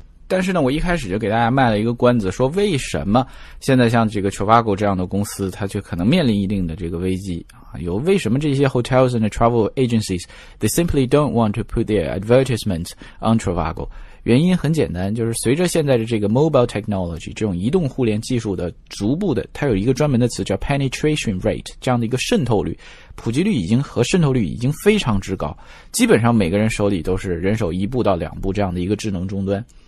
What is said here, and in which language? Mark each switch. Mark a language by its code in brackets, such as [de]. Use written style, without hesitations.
[zh] 但是呢，我一开始就给大家卖了一个关子，说为什么现在像这个 Trivago 这样的公司它就可能面临一定的这个危机啊？有为什么这些 [en] hotels and travel agencies they simply don't want to put their advertisements on Trivago? [zh] 原因很简单，就是随着现在的这个 mobile technology 这种移动互联技术的逐步的，它有一个专门的词叫 penetration rate, 这样的一个渗透率普及率已经和渗透率已经非常之高，基本上每个人手里都是人手一部到两部这样的一个智能终端，